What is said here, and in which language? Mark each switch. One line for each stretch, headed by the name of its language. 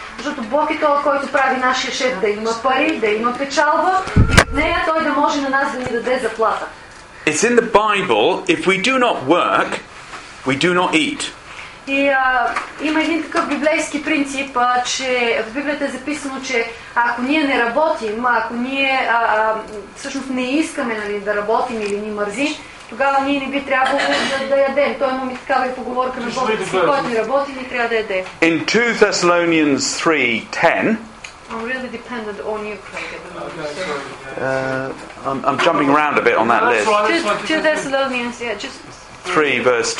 Bulgarian: Защото Бог е това, който прави нашия шеф да има пари, да има печалба, нея той да може на нас да ни даде заплата.
English: It's in the Bible, if we do not work, we do not eat.
Bulgarian: И има един такъв библейски принцип, че в Библията е записано, че ако ние не работим, ако ние всъщност не искаме, нали, да работим или ни мързи, тогава ние не би трябвало да ядем. Той има ми такава и поговорка на Бога, че който не работи, ни трябва да яде.
English: In 2 Thessalonians 3:10, I'm really dependent on you, Craig. Okay, I'm jumping around a bit on that list. 2 Thessalonians, yeah, just